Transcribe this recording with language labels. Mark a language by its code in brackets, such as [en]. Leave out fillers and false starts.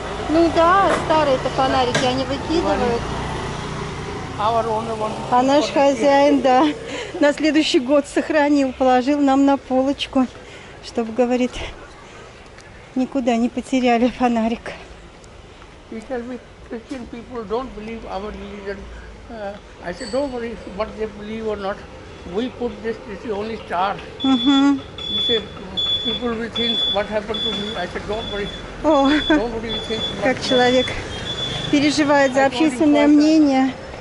[ru] Ну да, старые-то фонарики они выкидывают. А вороны вон. А наш хозяин, да, на следующий год сохранил, положил нам на полочку, чтобы, говорит, никуда не потеряли фонарик. [en] Because we Christian people don't believe our religion. I said, don't worry what they believe or not. We put this, this is the only star. Mm-hmm. He said, people will think what happened to me. I said, don't worry. Nobody will think what [ru] как человек переживает за общественное мнение.